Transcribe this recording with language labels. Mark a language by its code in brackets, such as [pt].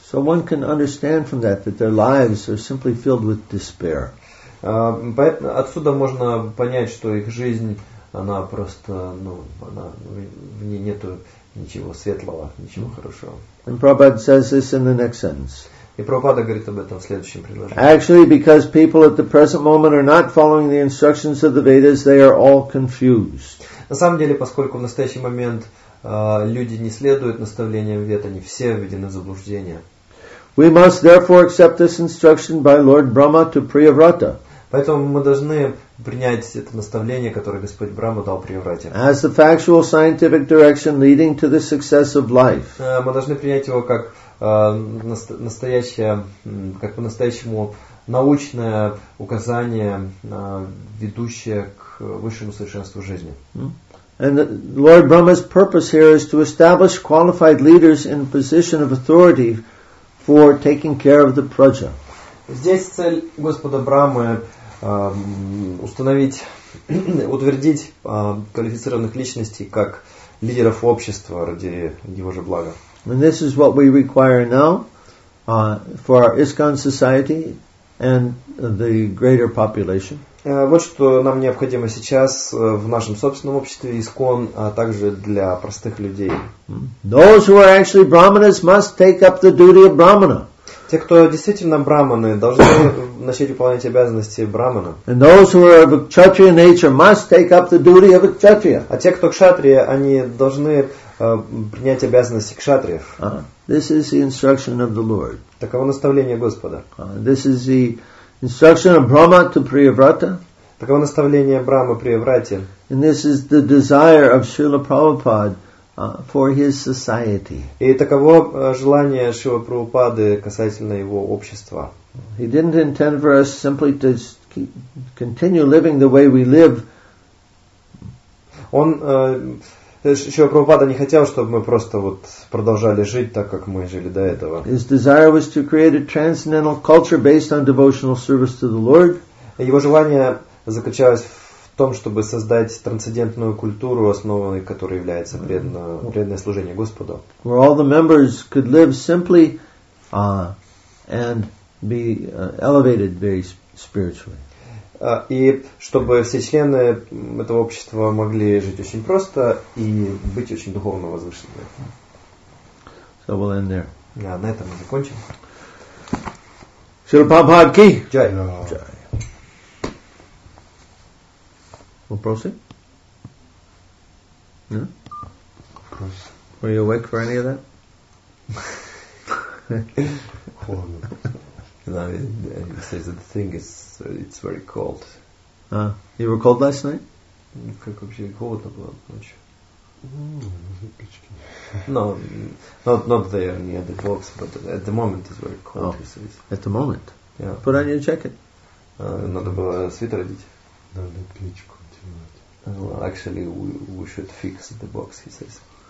[en] So one can understand from that that their lives are simply filled with despair. [ru] Отсюда можно понять, что их жизнь, она просто, в ней нету ничего светлого, ничего хорошего. [en] And Prabhupada says this in the next sentence. [ru] И Прабхупада говорит об этом в следующем предложении. [en] Actually, because people at the present moment are not following the instructions of the Vedas, they are all confused. [ru] На самом деле, поскольку в настоящий момент люди не следуют наставлениям Вед, они все введены в заблуждение. [en] We must therefore accept this instruction by Lord Brahma to Priyavrata. [ru] Поэтому мы должны принять это наставление, которое Господь Брама дал Приеврате. [en] As the factual scientific direction leading to the success of life. [ru] Мы должны принять его как настоящее, как по-настоящему научное указание, ведущее к высшему совершенству жизни. [en] And Lord Brahma's purpose here is to establish qualified leaders in a position of authority for taking care of the praja. [ru] Здесь цель Господа Брамы установить, утвердить квалифицированных личностей как лидеров общества ради его же блага. [en] And this is what we require now for our ISKCON society and the greater population. [ru] Вот что нам необходимо сейчас в нашем собственном обществе ИСКОН, а также для простых людей. [en] Those who are actually brahmanas must take up the duty of brahmana. [ru] Те, кто действительно брахманы, должны начать выполнять обязанности брахмана. [en] And those who are of a kshatriya nature must take up the duty of a kshatriya. [ru] А те, кто кшатрия, они должны принять обязанности кшатриев. [en] This is the instruction of the Lord. [ru] Таково наставление Господа. [en] This is the instruction of Brahma to Priyavrata. [ru] Таково наставление Брахмы Приеврате. [en] And this is the desire of Srila Prabhupada for his society. [ru] И таково желание Шрилы Прабхупады касательно его общества. [en] He didn't intend for us simply to continue living the way we live. [ru] Он, Шрила Прабхупада не хотел, чтобы мы просто вот продолжали жить так, как мы жили до этого. [en] His desire was to create a transcendental culture based on devotional service to the Lord. [ru] Его желание заключалось в том, чтобы создать трансцендентную культуру, основанной которой является преданное служение Господу. [en] Where all the members could live simply and be elevated very spiritually. [ru] И чтобы все члены этого общества могли жить очень просто и быть очень духовно возвышенными. [en] So we'll end there. Yeah, [ru] на этом мы закончим. Шрила Прабхупада ки джай. Вопросы? [en] No? [ru] Вопрос. [en] Were you awake for any of that? [ru] Холодно. [en] You know, he says that the thing is, it's very cold. You were cold last night? [ru] Как вообще холодно было ночью? Печки. [en] No, not there near the box, but at the moment it's very cold. Oh. He says. At the moment? Yeah. Put on your jacket. [ru] Надо было свитер одеть. Надо печку. [en] Well, actually, we should fix the box, he says.